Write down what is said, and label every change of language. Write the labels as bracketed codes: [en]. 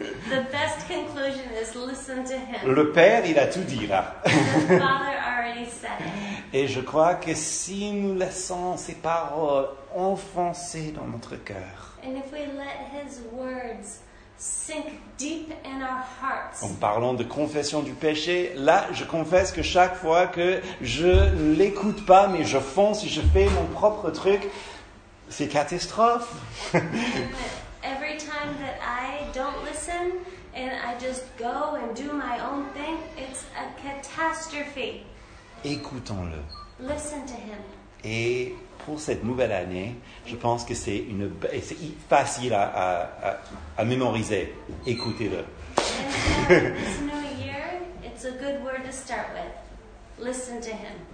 [en] The best conclusion is listen to him. [fr] Le Père, il a tout dit là. [en] The Father already said. [fr] Et je crois que si nous laissons ses paroles enfoncer dans notre cœur, [en] and if we let his words sink deep in our hearts. [fr] En parlant de confession du péché, là, je confesse que chaque fois que je l'écoute pas, mais je fonce et je fais mon propre truc, c'est catastrophe. [en] Every time that I don't listen and I just go and do my own thing, it's a catastrophe. [fr] Écoutons-le. [en] Listen to him. [fr] Et pour cette nouvelle année, je pense que c'est une c'est facile à mémoriser. Écoutez-le. [en] This new year, it's a good word to start with. Listen to him.